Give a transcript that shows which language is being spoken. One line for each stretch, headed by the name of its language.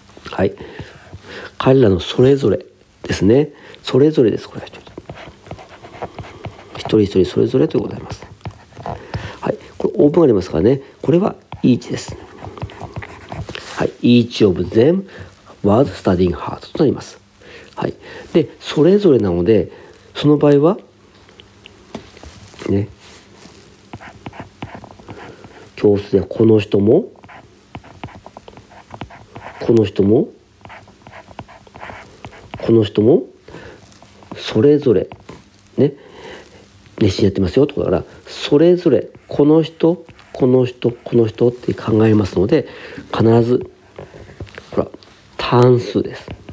Japanese: はい、彼らのそれぞれですね、それぞれです、これ一人一人それぞれということになります。はい、これオープンありますからね、これは each です。
English: はい、 each of them was studying hard
Japanese: となります。はい、でそれぞれなので、その場合はね、教室ではこの人もこの人もこの人もそれぞれね、熱心やってますよってことだから、それぞれこの人この人この人って考えますので、必ずほら単数です。